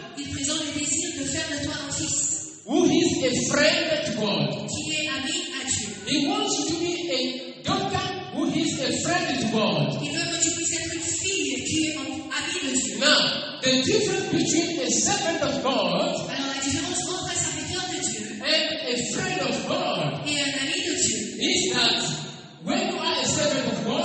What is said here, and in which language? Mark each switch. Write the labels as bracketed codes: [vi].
[fr] Il présente le désir de faire de toi un fils. [en] Who is a friend to God. [fr] Qui est ami. [en] He wants you to be a daughter who is a friend to God. [fr] Il veut que tu puisses être une fille qui est en ami de Dieu. [en] Now, the difference between a servant of God. [fr] Alors la différence entre un serviteur de Dieu. [en] And a friend of God. [fr] Et un ami de Dieu. [en] Is that when you are a servant of God.